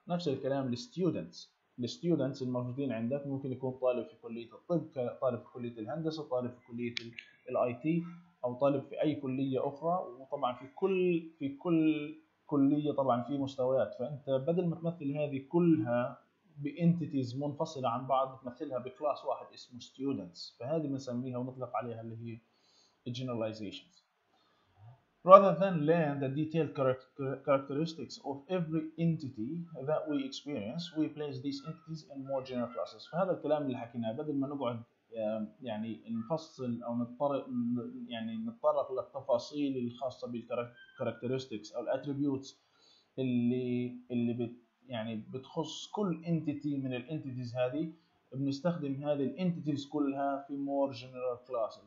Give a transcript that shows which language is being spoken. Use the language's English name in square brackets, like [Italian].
[Arabic] نفس الكلام للstudents، الstudents الموجودين عندك ممكن يكون طالب في كلية الطب، طالب في كلية الهندسة، طالب في كلية الاي تي، او طالب في اي كلية اخرى. وطبعا في كل كلية طبعا في مستويات، فانت بدل ما تمثل هذه كلها بانتيتيز منفصلة عن بعض تمثلها بكلاس واحد اسمه students. فهذه بنسميها ونطلق عليها اللي هي generalizations. [English] Rather than learn the detailed characteristics of every entity that we experience, we place these entities in more general classes. [Arabic] فهذا الكلام اللي حكيناه، بدل ما نقعد يعني نفصل أو نتطرق للتفاصيل الخاصة بالcharacteristics أو الattributes اللي يعني بتخص كل entity من الentities هذه، بنستخدم هذه الentities كلها في [English] more general classes.